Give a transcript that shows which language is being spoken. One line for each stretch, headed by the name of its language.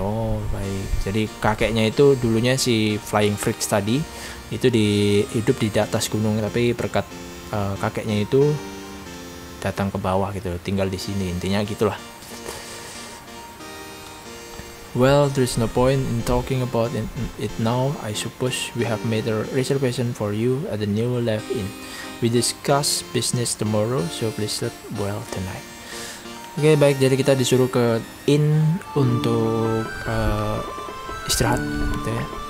Indonesian: Oh baik, jadi kakeknya itu dulunya si flying freaks tadi itu di hidup di atas gunung, tapi berkat kakeknya itu datang ke bawah gitu, tinggal di sini, intinya gitulah.
English: Well, there's no point in talking about it now. I suppose we have made a reservation for you at the new live in. We discuss business tomorrow, so please sleep well tonight.
Indonesian: Oke, baik, jadi kita disuruh ke inn untuk istirahat gitu ya.